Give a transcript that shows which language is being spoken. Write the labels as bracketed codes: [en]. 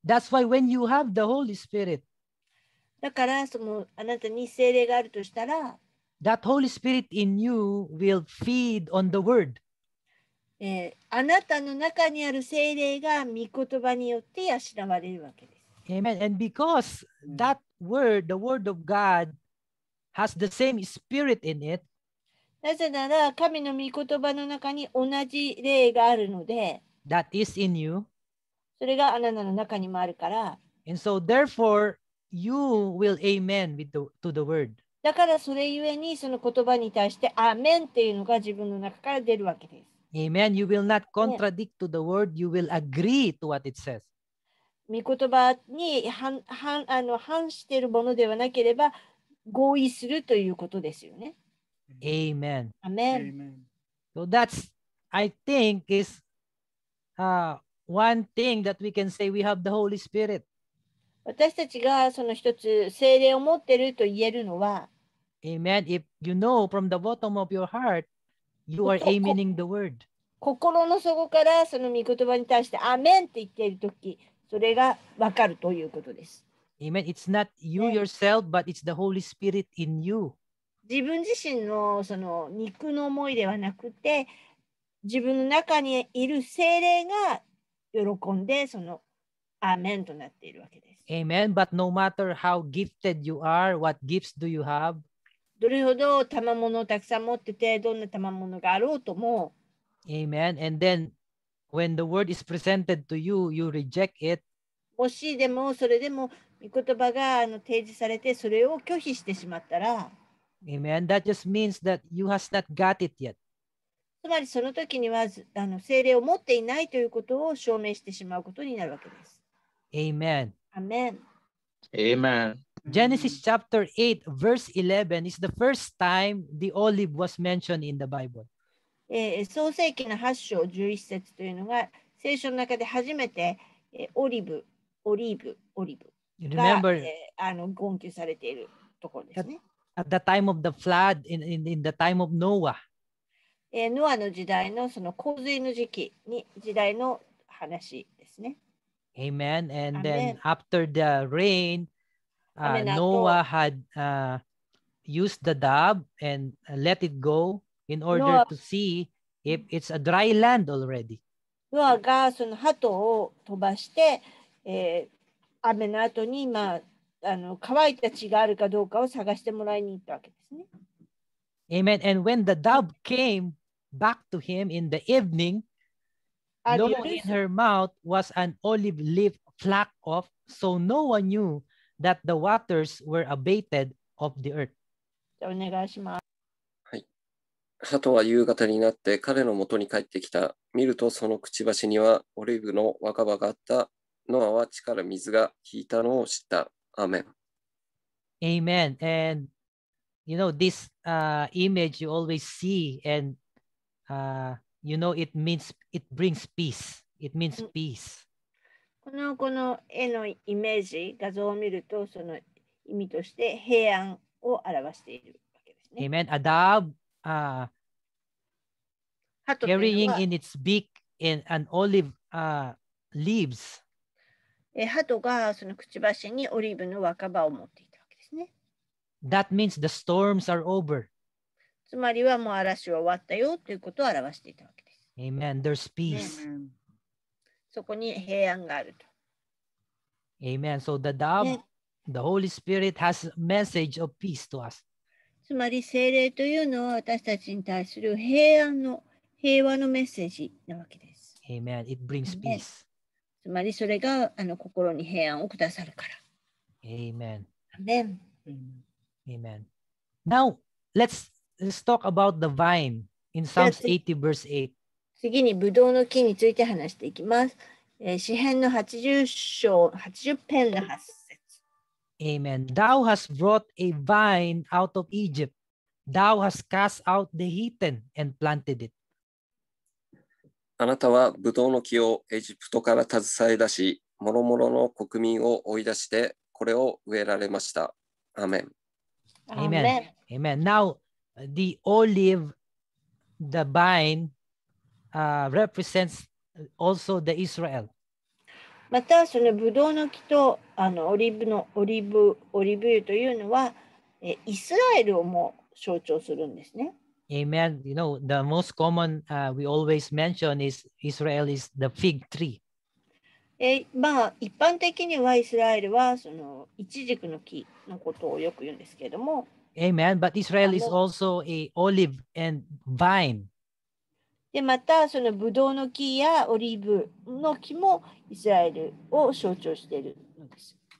[en] That's why when you have the Holy Spirit, [ja] だからそのあなたに聖霊があるとしたら、 [en] that Holy Spirit in you will feed on the Word. [ja] あなたの中にある聖霊が御言葉によって養われるわけです。 [en] Amen. And because that Word, the Word of God, has the same Spirit in it. [ja] なぜなら神の御言葉の中に同じ霊があるので [en] That is in you. [ja] それがあなたの中にもあるから [en] And so therefore you will amen with the, to the word. [ja] だからそれゆえにその言葉に対してアメンっていうのが自分の中から出るわけです。 [en] Amen. You will not contradict to the word. You will agree to what it says. [ja] 御言葉に反しているものではなければ合意するということですよね。 [en] Amen. Amen. So that's, I think, is one thing that we can say we have the Holy Spirit. [ja] 私たちがその一つ聖霊を持ってると言えるのは [en] Amen. If you know from the bottom of your heart, you are amening the word. [ja] 心の底からその御言葉に対してアメンって言っているとき、それがわかるということです。 [en] Amen. It's not you yourself, but it's the Holy Spirit in you. [ja] 自分自身のその肉の思いではなくて自分の中にいる聖霊が喜んでそのアーメンとなっているわけです。 [en] Amen. But no matter how gifted you are, what gifts do you have? [ja] どれほど賜物をたくさん持っててどんな賜物があろうとも [en] Amen. And then when the word is presented to you, you reject it. [ja] もしでもそれでも御言葉が提示されてそれを拒否してしまったら [en] Amen. That just means that you has not got it yet. [ja] つまりその時には聖霊を持っていないということを証明してしまうことになるわけです。 [en] Amen. Amen. Amen. Genesis chapter 8 verse 11 is the first time the olive was mentioned in the Bible. [ja] 創世記の8章11節というのが聖書の中で初めて、オリーブが、 [en] Remember, [ja] 言及されているところですね。 [en] At the time of the flood, in the time of Noah. [ja] ノアの時代のその洪水の時期に時代の話ですね。 [en] Amen. And then after the rain, Noah had used the dove and let it go in order to see if it's a dry land already. [ja] ノアがその鳩を飛ばして、雨の後に乾いた地があるかどうかを探してもらいに行ったわけですね。 [en] Amen. And when the dove came back to him in the evening, lo, in her mouth was an olive leaf flak off, so Noah knew that the waters were abated of the earth. [ja] じゃあお願いします。はい。鳩は夕方になって彼の元に帰ってきた。見るとそのくちばしにはオリーブの若葉があった。ノアは地から水が引いたのを知った。 [en] Amen. Amen. And you know this image you always see, and you know it means it brings peace. It means peace. [ja] この絵のイメージ、画像を見るとその意味として平安を表しているわけですね。 [en] Amen. A dove carrying in its beak in an olive leaves. [ja] 鳩がそのくちばしにオリーブの若葉を持っていたわけですね。 [en] That means the storms are over. [ja] つまりはもう嵐は終わったよということを表していたわけです。 [en] Amen. There's peace. Amen. [ja] そこに平安があると。 [en] Amen. So the dove,、ね、the Holy Spirit has a message of peace to us. [ja] つまり聖霊というのは私たちに対する平和のメッセージなわけです。 [en] Amen. It brings peace. [ja] つまりそれが心に平安をくださるから。 [en] Amen. Amen. Amen. Now, let's talk about the vine in Psalms 80 verse 8. [ja] 次にブドウの木について話していきます。詩編の80章、80編の8節。 [en] Amen. Thou hast brought a vine out of Egypt. Thou hast cast out the heathen and planted it. [ja] あなたはブドウの木をエジプトから携え出し、もろもろの国民を追い出して、これを植えられました。アメン。アメン。アメン。 [en] Now, the olive, the vine, represents also the Israel. [ja] また、そのブドウの木とオリーブ油というのは、イスラエルをも象徴するんですね。 [en] Amen. You know, the most common we always mention is Israel is the fig tree. [ja] まあ、一般的にはイスラエルはそのイチジクの木のことをよく言うんですけれども。 [en] Amen. But Israel is also a olive and vine. [ja] で、またそのブドウの木やオリーブの木もイスラエルを象徴しているのです。